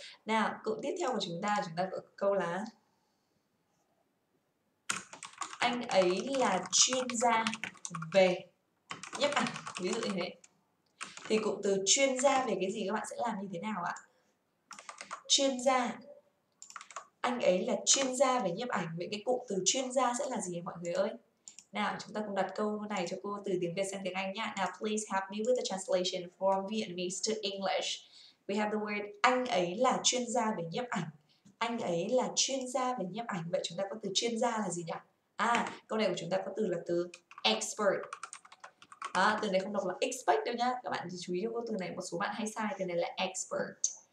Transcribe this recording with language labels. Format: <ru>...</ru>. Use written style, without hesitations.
<vi>Nào, cụm tiếp theo của chúng ta có câu là anh ấy là chuyên gia về nhấp ảnh, ví dụ như thế. Thì cụm từ chuyên gia về cái gì các bạn sẽ làm như thế nào ạ? Chuyên gia, anh ấy là chuyên gia về nhiếp ảnh. Vậy cái cụm từ chuyên gia sẽ là gì mọi người ơi? Nào, chúng ta cùng đặt câu này cho cô từ tiếng Việt sang tiếng Anh nhé.</vi> <en>Now, please help me with the translation from Vietnamese to English.</en> <vi>We have the word anh ấy là chuyên gia về nhiếp ảnh. Anh ấy là chuyên gia về nhiếp ảnh. Vậy chúng ta có từ chuyên gia là gì nhỉ? À, câu này của chúng ta có từ là từ expert. À, từ này không đọc là expert đâu nhá. Các bạn chỉ chú ý cho cô từ này, một số bạn hay sai. Từ này là expert.</vi>